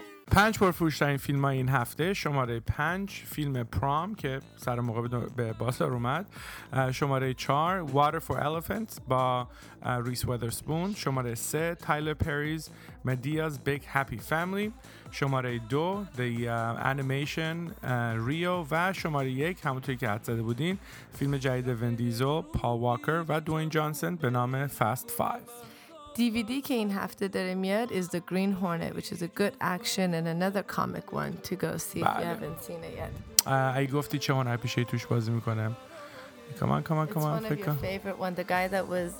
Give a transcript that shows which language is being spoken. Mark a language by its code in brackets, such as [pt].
[fa] پنج پرفروش‌ترین فیلم های این هفته، شماره 5 فیلم پرام که سر موقع به بازار اومد، شماره 4 Water for Elephants با ریس ویدرسپون، شماره 3 تایلر پریز مدیاز بیگ هپی فامیلی، شماره 2 انیمیشن ریو، و شماره 1 همونطوری که حد زده بودین فیلم جدید وین دیزل، پال واکر و دوین جانسن به نام فست 5. [en] DVD [fa] که این هفته داره میاد [en] is The Green Hornet, which is a good action and another comic one to go see if you haven't seen it yet. [fa] اگه گفتی چه هنر پیشه توش بازی میکنه. [en] Come on. It's one of your favorite one. The guy that was